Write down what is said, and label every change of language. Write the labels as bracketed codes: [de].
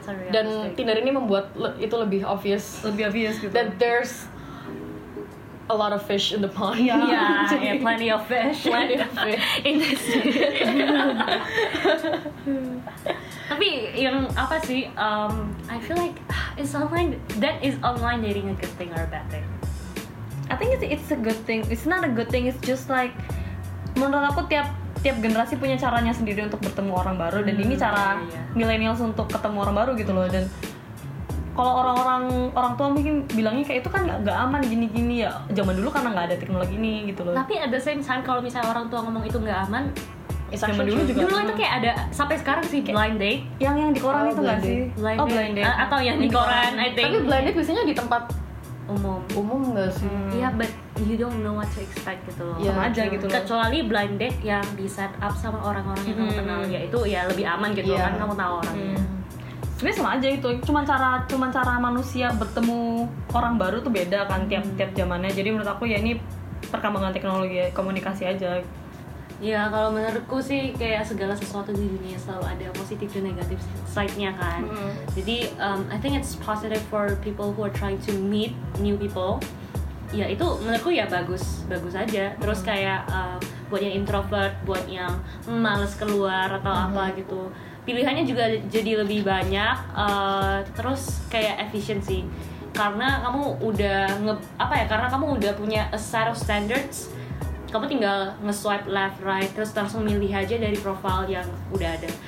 [id] Dan Tinder ini membuat itu lebih obvious. Lebih obvious gitu. [en] That there's a lot of fish in the pond. Plenty of fish. Plenty of fish in this. [id] Tapi yang apa sih? [en] I feel like it's online. That is online dating a good thing or a bad thing? I think it's a good thing. It's not a good thing. It's just like [id] menurut aku tiap generasi punya caranya sendiri untuk bertemu orang baru. Dan ini cara millennials untuk ketemu orang baru gitu loh. Dan kalau orang tua mungkin bilangnya kayak itu kan nggak aman gini-gini ya. Zaman dulu karena nggak ada teknologi ini gitu loh. Tapi [en] at the same time [id] kalau misalnya orang tua ngomong itu nggak aman, zaman dulu juga. Dulu itu kayak ada sampai sekarang sih blind date. Yang di koran itu nggak sih? Blind date. Atau yang di koran, [en] I think. [id] Tapi blind date biasanya di tempat umum nggak sih? [en] Yeah, but you don't know what to expect [id] gitu loh. Sama aja gitu loh. Kecuali blind date yang di set up sama orang-orang yang kamu kenal, yaitu ya lebih aman gitu kan kamu tahu orangnya. Sebenarnya sama aja itu, cuma cara manusia bertemu orang baru tuh beda kan tiap zamannya. Jadi menurut aku ya ini perkembangan teknologi komunikasi aja. Ya kalau menurutku sih kayak segala sesuatu di dunia selalu ada positif dan negatif side-nya kan. [en] Jadi I think it's positive for people who are trying to meet new people. [id] Ya itu menurutku ya bagus aja. Terus kayak buat yang introvert, buat yang malas keluar atau apa gitu, pilihannya juga jadi lebih banyak. Terus kayak efficiency, karena kamu udah karena kamu udah punya [en] a set of standards, [id] kamu tinggal nge-swipe left right terus langsung milih aja dari profile yang udah ada.